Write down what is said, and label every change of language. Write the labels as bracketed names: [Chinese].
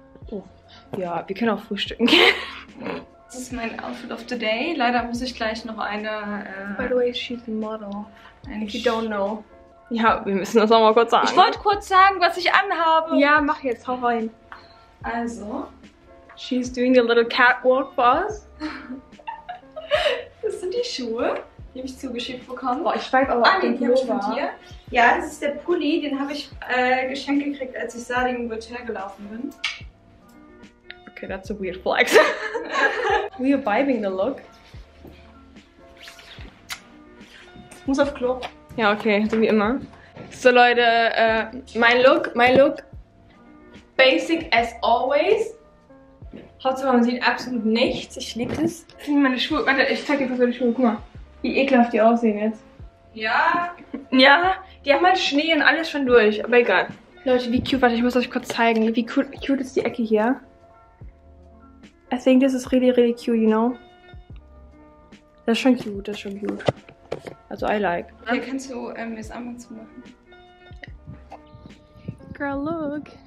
[German] Oh. Ja, wir können auch frühstücken gehen. Das ist mein Outfit of the Day. Leider muss ich gleich noch eine... [English] By the way, she's a model. If you don't know. [German] Ja, wir müssen das nochmal kurz sagen. Ich wollte kurz sagen, was ich anhabe. Ja, mach jetzt. Hau rein. Also. [English] She's doing a little catwalk for us. [German] Das sind die Schuhe. Die habe ich zugeschickt bekommen. Boah, ich schweife aber auch den Pullover. Ah, den hier. Ja, das ist der Pulli. Den habe ich geschenkt gekriegt, als ich Sardin und Bertel gelaufen bin. [English] Okay, that's a weird flex. We are vibing the look. [German] Ich muss auf Klo. Ja, okay, so wie immer. So, Leute, mein Look, basic as always. Hauptsache, man sieht absolut nichts. Ich liebe das. Das sind meine Schuhe. Warte, ich zeig dir kurz meine Schuhe. Guck mal, wie ekelhaft die aussehen jetzt. Ja. Ja, die haben halt Schnee und alles schon durch, aber egal. Leute, wie cute. Warte, ich muss euch kurz zeigen. Wie cute ist die Ecke hier? [English] I think this is really, really cute, you know? [German] Das ist schon cute. Also, I like. Hier kannst du mir das Armband zu machen. [English] Girl, look.